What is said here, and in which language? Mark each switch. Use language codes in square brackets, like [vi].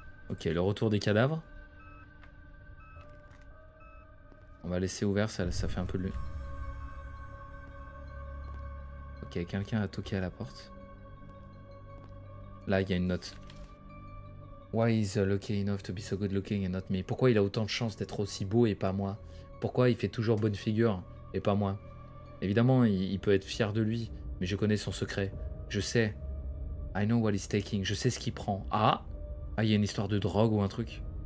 [fr] Ok, le retour des cadavres. On va laisser ouvert, ça fait un peu de lui. Ok, quelqu'un a toqué à la porte. Là, il y a une note. [en] Why is lucky enough to be so good looking and not me? [fr] Pourquoi il a autant de chance d'être aussi beau et pas moi? Pourquoi il fait toujours bonne figure et pas moi? Évidemment, il peut être fier de lui, mais je connais son secret. Je sais. [en] I know what he's taking. [fr] Je sais ce qu'il prend. Ah! Ah, il y a une histoire de drogue ou un truc.